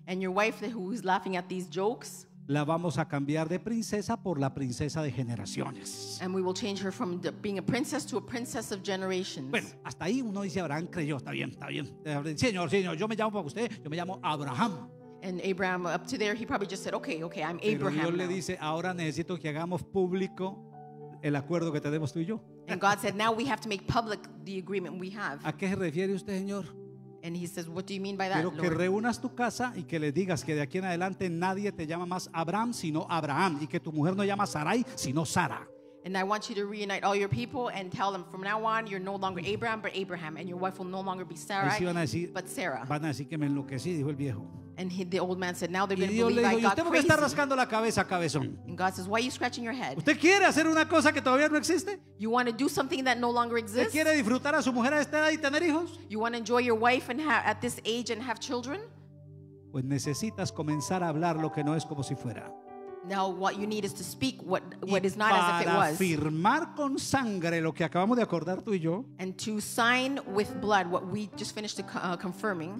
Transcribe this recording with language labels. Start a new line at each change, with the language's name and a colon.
English: And your wife who is laughing at these jokes.
Spanish: La vamos a cambiar de princesa por la princesa de generaciones.
English: And we will change her from being a princess to a princess of generations.
Spanish: Bueno, hasta ahí uno dice Abraham creyó, está bien. Señor, señor, yo me llamo para usted, yo me llamo Abraham.
English: And Abraham up to there, he probably just said, okay, I'm Abraham.
Spanish: Le dice, ahora necesito que hagamos público el acuerdo que tenemos tú y yo.
English: And God said, now we have to make public the agreement we have.
Spanish: ¿A qué se refiere usted, señor?
English: And he says, what do you mean by that, Lord?
Spanish: Pero que reúnas tu casa y que le digas que de aquí en adelante nadie te llama más Abraham, sino Abraham, y que tu mujer no llama Sarai, sino Sara.
English: And I want you to reunite all your people and tell them from now on you're no longer Abraham, but Abraham, and your wife will no longer be Sarai, but Sarah.
Spanish: Van a decir que me enloquecí, dijo el viejo.
English: And the old man said, now they're going to believe I got crazy.
Spanish: Que está rascando la cabeza, cabezón.
English: And God says, why are you scratching your head?
Spanish: ¿Usted quiere hacer una cosa que todavía no existe?
English: You want to do something that no longer exists?
Spanish: ¿Usted quiere disfrutar a su mujer a esta edad y tener hijos?
English: You want to enjoy your wife and at this age and have children?
Spanish: Pues necesitas comenzar a hablar lo que no es como si fuera.
English: Now what you need is to speak what is not as if it was.
Spanish: Y para firmar con sangre lo que acabamos de acordar tú y yo.
English: And to sign with blood what we just finished confirming.